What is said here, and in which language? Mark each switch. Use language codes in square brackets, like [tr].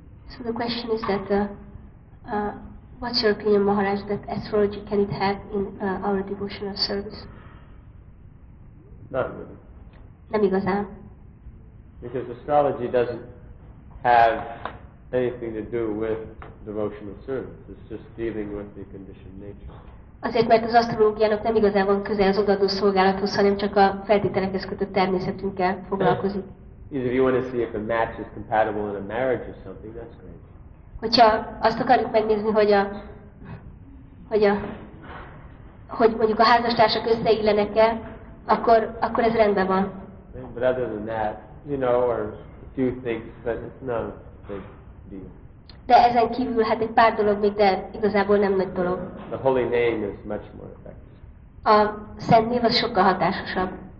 [en] So the question is that what's your opinion, Maharaj, that astrology can it have in our devotional service? Not really. [hu] Nem igazán. [en] Because astrology doesn't have anything to do with devotional service. It's just dealing with the conditioned nature. [hu] Azért, mert az asztrológiának nem igazán van köze az odaadó szolgálathoz, hanem csak a feltételekhez kötött természetünkkel foglalkozik. [en] If you want to see if a match is compatible in a marriage or something, that's great. [hu] Hogyha azt akarjuk megnézni, hogy mondjuk a házastársak összeillenek-e, akkor ez rendben van. [en] But other than that, or a few things, but it's not a big deal. [hu] De ezen kívül hát egy pár dolog még, de igazából nem nagy dolog. [en] The holy name is much more effective. [hu] A szent név az sokkal hatásosabb.